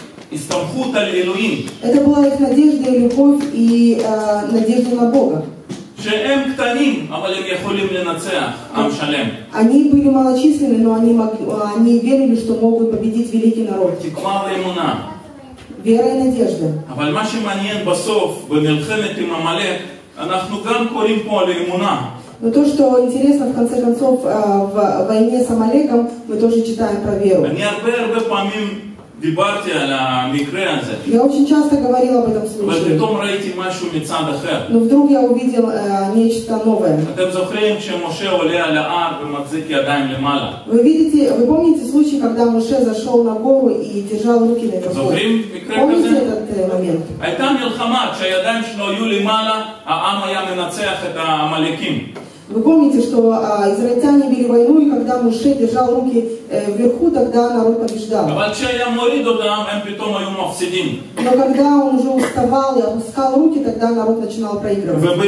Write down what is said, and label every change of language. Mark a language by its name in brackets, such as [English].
[Russian] Это была их надежда и любовь и надежда на Бога. [Hebrew] שהם קטנים, אבל הם יכולים לנצח עם שלם. [Russian] Они были малочисленны, но они верили, что могут победить великий народ. [Hebrew] תקווה ואמונה. [Russian] Вера и надежда. [Hebrew] אבל מה שמעניין בסוף, במלחמת עם עמלק, אנחנו גם קוראים פה לאמונה. [Russian] Но то, что интересно, в конце концов, в войне с Амалеком, мы тоже читаем про веру. [Hebrew] אני הרבה פעמים דיברתי על המקרה הזה. [Russian] Я очень часто говорил об этом случае. Но потом [Hebrew] ראיתי משהו מצד אחר. [Russian] Но вдруг я увидел нечто новое. [Hebrew] אתם זוכרים שמשה עולה על ההר ומחזיק ידיים למעלה? [Russian] Вы помните случай, когда Моше зашел на гору и держал руки на горбу? Зоврим [Hebrew] מקרה כזה? [Russian] Помните этот момент? [Hebrew] הייתה מלחמה, כשהידיים שלו היו למעלה, העם היה מנצח את העמלקים. [Russian] Вы помните, что израильтяне вели войну, и когда Моше держал руки вверху, тогда народ побеждал. Но когда он уже уставал и опускал руки, тогда народ начинал проигрывать.